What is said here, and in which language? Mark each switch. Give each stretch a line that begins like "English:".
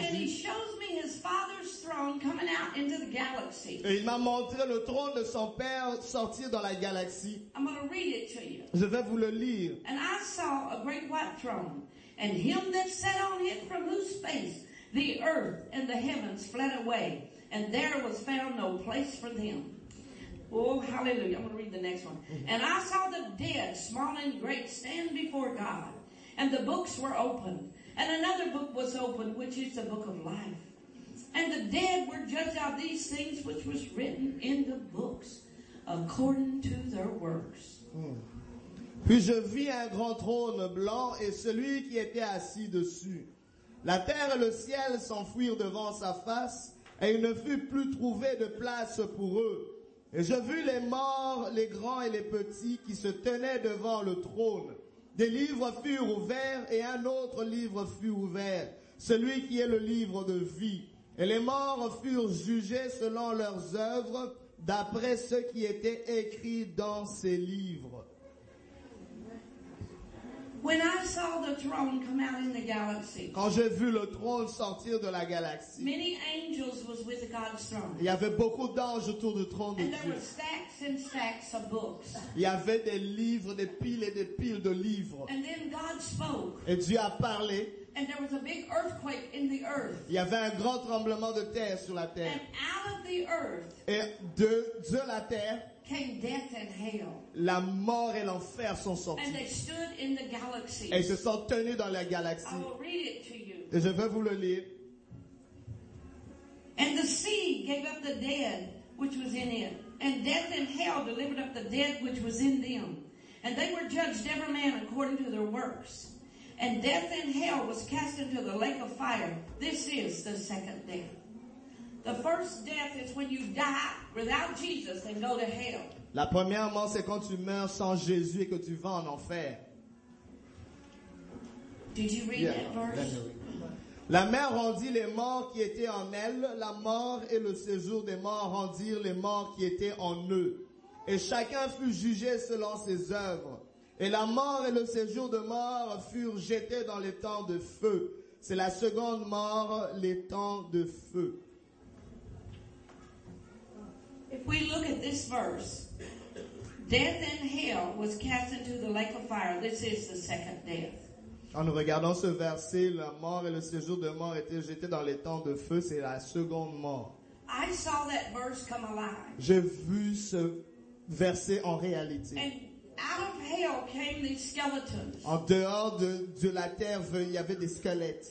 English: And he shows me his father's throne coming out into the galaxy.
French: Et il m'a montré le trône de son père sortir dans la galaxie.
English: I'm going to read it to you.
French: Je vais vous le lire.
English: And I saw a great white throne, and him that sat on it, from whose face the earth and the heavens fled away, and there was found no place for them. Oh, hallelujah. I'm going to read the next one. And I saw the dead, small and great, stand before God, and the books were opened, and another book was opened, which is the book of life. And the dead were judged out of these things which was written in the books according to their works.
French: Puis je vis un grand trône blanc et celui qui était assis dessus. La terre et le ciel s'enfuirent devant sa face et il ne fut plus trouvé de place pour eux. Et je vis les morts, les grands et les petits qui se tenaient devant le trône. Des livres furent ouverts et un autre livre fut ouvert, celui qui est le livre de vie. Et les morts furent jugés selon leurs œuvres, d'après ce qui était écrit dans ces livres.
English: When I saw the throne come out in the galaxy,
French: quand j'ai vu le trône sortir de la galaxie,
English: many angels was with God's throne.
French: Il y avait beaucoup d'anges autour du trône de
English: and
French: Dieu.
English: There were stacks and stacks of books.
French: Il y avait des livres, des piles et des piles de livres.
English: And then God spoke.
French: Et Dieu a parlé.
English: And there was a big earthquake in the earth.
French: Il y avait un grand tremblement de terre sur la terre.
English: And out of the earth,
French: et de la terre,
English: came death and hell.
French: La mort et l'enfer sont sortis.
English: And they stood in the galaxy.
French: Et ils se sont tenus dans la galaxie.
English: I will read it to you.
French: Et je vais vous le lire.
English: And the sea gave up the dead which was in it. And death and hell delivered up the dead which was in them. And they were judged every man according to their works. And death and hell was cast into the lake of fire. This is the second death. The first death is when you die without Jesus and go to hell.
French: La première mort, c'est quand tu meurs sans Jésus et que tu vas en enfer.
English: Did you read that verse?
French: La mer rendit les morts qui étaient en elle. La mort et le séjour des morts rendirent les morts qui étaient en eux. Et chacun fut jugé selon ses œuvres. Et la mort et le séjour de mort furent jetés dans les temps de feu. C'est la seconde mort, les temps de feu.
English: If we look at this verse, death and hell was cast into the lake of fire. This is the second death.
French: En nous regardant ce verset, la mort et le séjour de mort étaient jetés dans les temps de feu. C'est la seconde mort.
English: I saw that verse come alive.
French: J'ai vu ce verset en réalité.
English: And out of hell came these skeletons.
French: En dehors de la terre, il y avait des squelettes.